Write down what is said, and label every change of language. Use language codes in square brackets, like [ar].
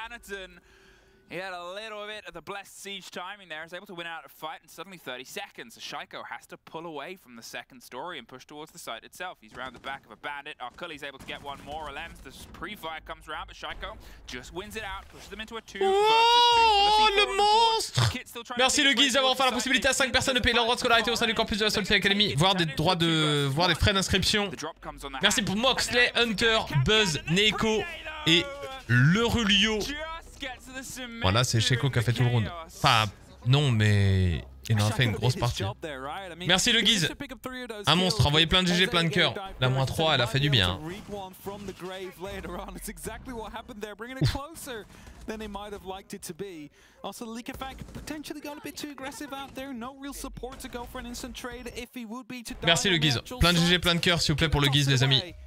[en] Anaton, he had a little bit of the blessed siege timing there, is able to win out a fight in suddenly 30 seconds. So Shaiko has to pull away from the second story and push towards the site itself. He's round the back of a bandit. Arkuli's able to get one more. Alems, the pre-fire comes around, but Shaiko just wins it out, pushes them into a two. [fr] Oh, le monstre! Merci le Guise d'avoir enfin la possibilité à 5 personnes de payer leur droit de scolarité au sein du campus de la Solfé Academy, voir des droits de. Voir des frais d'inscription. Merci pour Moxley, Hunter, Buzz, Neiko et le Rulio. Voilà, c'est Sheiko qui a fait tout le round. Enfin, non, mais il en a fait une grosse partie. Merci le Guise. Un monstre, envoyé plein de GG, plein de cœur. La moins 3, elle a fait du bien. Ouf. [en] Than they might have liked it to be. Also, LeakeFact potentially got a bit too aggressive out there. No real support to go for an instant trade if he would be to die. [fr] Merci le Guise. Plein de GG, plein de cœur, s'il vous plaît, pour le Guise, les amis.